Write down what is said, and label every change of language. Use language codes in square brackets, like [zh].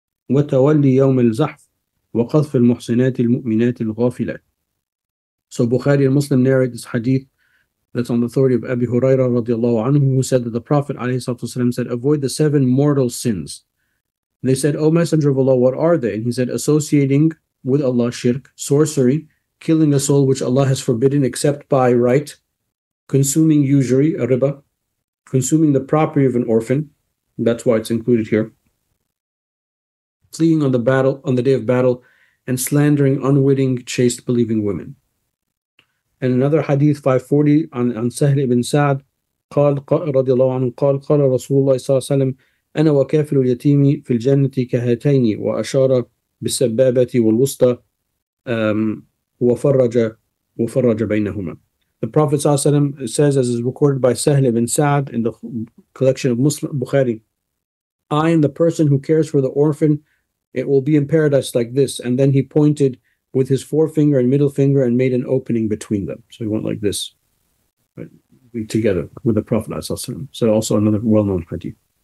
[ar] وتولي يوم الزحف وقذف المحصنات المؤمنات الغافلات. [en] So Bukhari and Muslim narrate this hadith that's on the authority of Abi Huraira radiallahu anhu, who said that the Prophet ﷺ said, avoid the seven mortal sins. They said, O Messenger of Allah, what are they? And he said, associating with Allah shirk, sorcery, killing a soul which Allah has forbidden except by right, consuming usury, a riba, consuming the property of an orphan, that's why it's included here, fleeing on the battle on the day of battle, and slandering unwitting chaste believing women. And another hadith 540 on Sahl ibn Sa'd, [ar] قال رضي الله عنه قال قال رسول الله صلى الله عليه وسلم أنا وكافر اليتيم في الجنة كهاتين وأشار بالسبابة والوسطى وفرج بينهما. [en] The Prophet [ar] صلى الله عليه وسلم [en] says, as is recorded by Sahl ibn Sa'd in the collection of Muslim Bukhari, I am the person who cares for the orphan. It will be in paradise like this. And then he pointed with his forefinger and middle finger and made an opening between them. So he went like this, right, together with the Prophet ﷺ. So also another well-known hadith.